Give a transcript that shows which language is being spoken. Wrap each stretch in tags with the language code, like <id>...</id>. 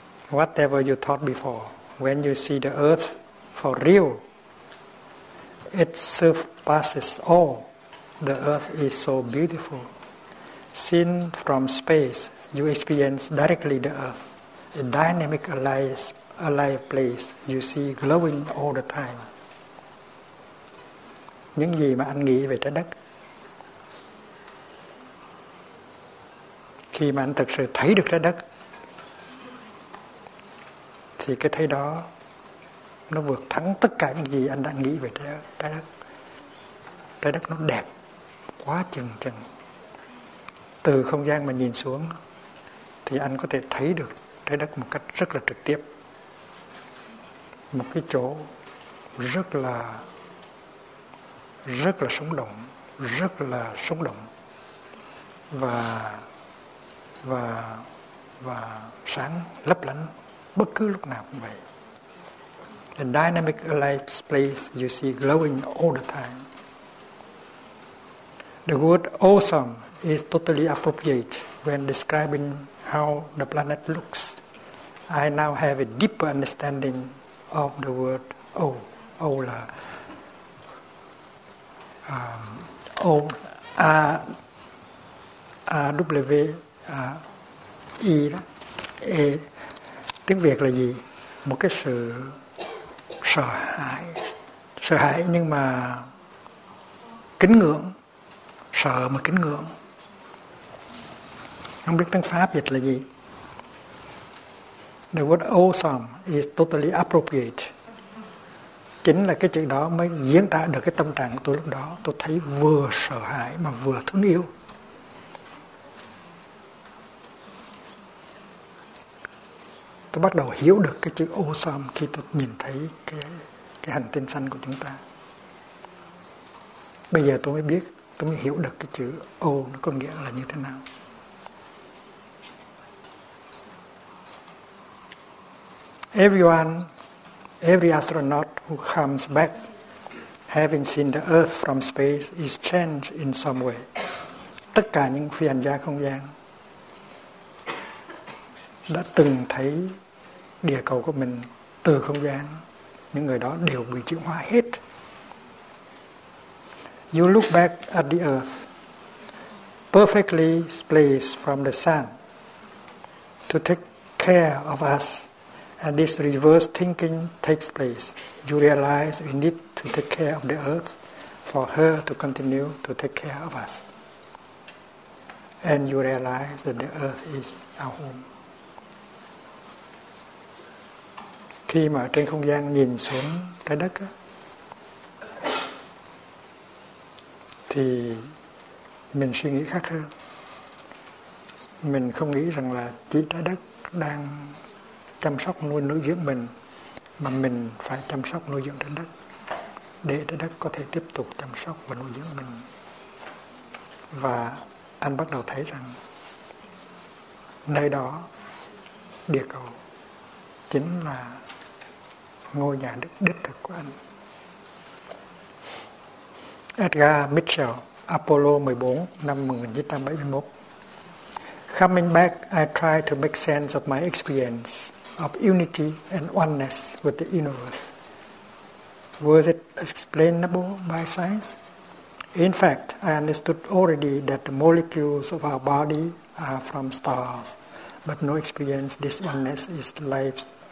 <en>Whatever you thought before, when you see the earth for real, it surpasses all. The earth is so beautiful. Seen from space, you experience directly the earth, a dynamic, alive place you see glowing all the time.</en> <vi>Những gì mà anh nghĩ về trái đất, khi mà anh thực sự thấy được trái đất, thì cái thấy đó nó vượt thắng tất cả những gì anh đã nghĩ về trái đất. Trái đất nó đẹp quá chừng chừng. Từ không gian mà nhìn xuống, thì anh có thể thấy được trái đất một cách rất là trực tiếp. Một cái chỗ rất là sống động, rất là sống động và sáng lấp lánh bất cứ lúc nào cũng vậy.</vi> <en>The dynamic alive space you see glowing all the time. The word awesome is totally appropriate when describing how the planet looks. I now have a deeper understanding of the word oh.</en> <vi>Oh là O-A-W-E, tiếng Việt là gì? Một cái sự sợ hãi nhưng mà kính ngưỡng, sợ mà kính ngưỡng. Không biết tiếng Pháp dịch là gì?</vi> <en>The word awesome is totally appropriate.</en> <vi>Chính là cái chữ đó mới diễn tả được cái tâm trạng của tôi lúc đó. Tôi thấy vừa sợ hãi mà vừa thương yêu. Tôi bắt đầu hiểu được cái chữ awesome khi tôi nhìn thấy cái hành tinh xanh của chúng ta. Bây giờ tôi mới biết, tôi mới hiểu được cái chữ O nó có nghĩa là như thế nào.</vi> <en>Every astronaut who comes back, having seen the Earth from space, is changed in some way.</en> <vi>Tất cả những phi hành gia không gian đã từng thấy địa cầu của mình từ không gian, những người đó đều bị chuyển hóa hết.</vi> <en>You look back at the Earth, perfectly placed from the sun, to take care of us. And this reverse thinking takes place. You realize we need to take care of the earth for her to continue to take care of us. And you realize that the earth is our home.</en> <vi>Khi mà trên không gian nhìn xuống trái đất, thì mình suy nghĩ khác hơn. Mình không nghĩ rằng là chỉ trái đất đang chăm sóc nuôi dưỡng mình, mà mình phải chăm sóc nuôi dưỡng trái đất để trái đất có thể tiếp tục chăm sóc và nuôi dưỡng mình. Và anh bắt đầu thấy rằng nơi đó, địa cầu, chính là ngôi nhà đích thực của anh. Edgar Mitchell, Apollo 14, năm 1971.</vi> <en>Coming back, I try to make sense of my experience of unity and oneness with the universe. Was it explainable by science? In fact, I understood already that the molecules of our body are from stars, but no experience this oneness is life.</en>